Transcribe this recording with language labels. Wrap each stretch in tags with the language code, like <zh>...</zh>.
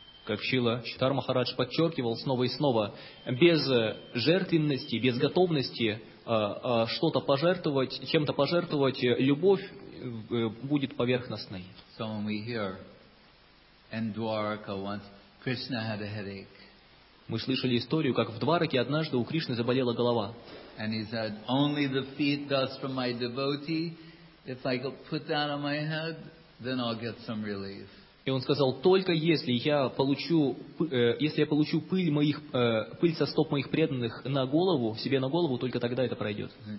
<ru>Как Шрила Читар Махарадж подчеркивал снова и снова, без жертвенности, без готовности что-то пожертвовать, чем-то пожертвовать, любовь будет поверхностной.</ru> <en>So when we hear, in Dwarka once, Krishna had a headache.</en> <ru>Мы слышали историю, как в Двараке однажды у Кришны заболела голова.</ru> <en>And he said, only the feet dust from my devotee, if I put that on my head, then I'll get some relief.</en> <ru>И он сказал, только если я получу пыль со стоп моих преданных на голову, себе на голову, только тогда это пройдет.</ru>